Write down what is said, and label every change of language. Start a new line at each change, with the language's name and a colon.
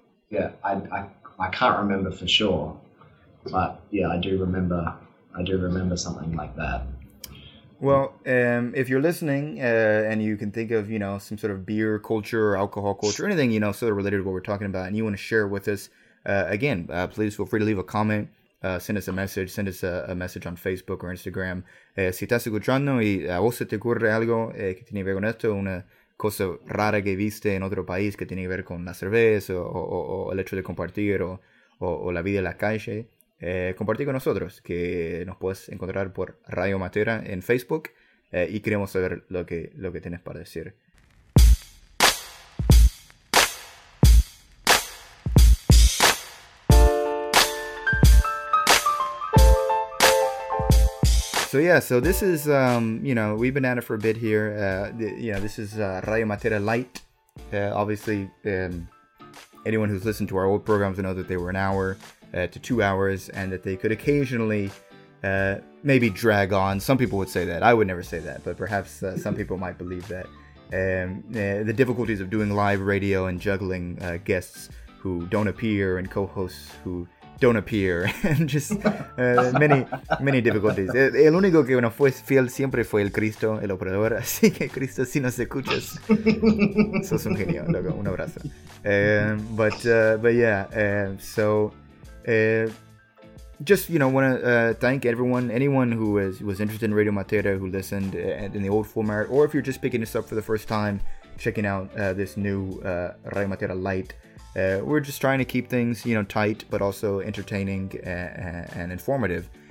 English: Yeah, I can't remember for sure, but yeah, I do remember something like that. Well, if you're listening and you can think of, you know, some sort of beer culture or alcohol culture, anything, you know, sort of related to what we're talking about, and you want to share with us, again, please feel free to leave a comment, send us a message, send us a message on Facebook or Instagram.
Spanish: Si estás escuchando y a vos se te ocurre algo que tiene que ver con esto, una cosa rara que viste en otro país que tiene que ver con la cerveza o el hecho de compartir o la vida en la calle, compartir con nosotros, que nos puedes encontrar por Radio Matera en Facebook, y queremos saber lo que tienes para decir.
English: So yeah, so this is, you know, we've been at it for a bit here. You know, this is Radio Matera Lite. Obviously, anyone who's listened to our old programs will know that they were an hour to 2 hours, and that they could occasionally maybe drag on. Some people would say that. I would never say that, but perhaps some people might believe that. The difficulties of doing live radio and juggling guests who don't appear and co-hosts who don't appear, and just many, many difficulties.
Spanish: El único que no fue fiel siempre fue el Cristo, el operador, así que Cristo, si nos escuchas, sos un genio, loco, un abrazo.
English: But yeah, so just, you know, want to thank everyone, anyone who was interested in Radio Matera, who listened in the old format, or if you're just picking this up for the first time, checking out this new Radio Matera Lite. We're just trying to keep things, you know, tight, but also entertaining and informative.